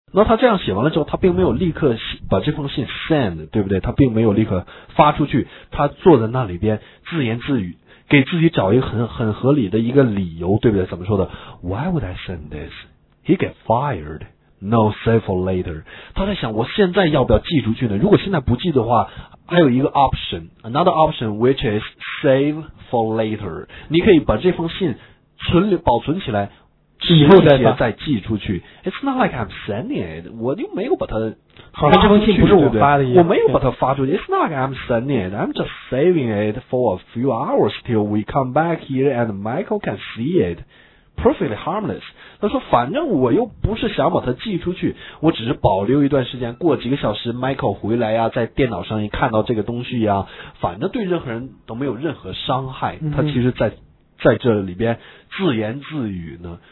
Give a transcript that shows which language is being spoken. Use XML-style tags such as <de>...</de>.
<zh>那他这样写完了之后，他并没有立刻把这封信 send， 对不对？他并没有立刻发出去，他坐在那里边自言自语，给自己找一个很合理的一个理由，对不对？怎么说的 ？</zh> <en>Why would I send this? He get fired. No save for later.</en> <zh>他在想，我现在要不要寄出去呢？如果现在不寄的话，还有一个 option，</zh> <en>another option which is save for later。</en> <zh>你可以把这封信存留保存起来。以后再寄出去。</zh> <en>It's not like I'm sending it.</en> <zh>我又没有把它发出去。好像这封信不是我发的一样。对对，我没有把它发出去。</zh> <en>It's not like I'm sending it. I'm just saving it for a few hours till we come back here and Michael can see it. Perfectly harmless.</en> <zh>他说反正我又不是想把它寄出去。我只是保留一段时间，过几个小时 Michael 回来啊，在电脑上一看到这个东西啊，反正对任何人都没有任何伤害。嗯、他其实在这里边自言自语呢。</zh>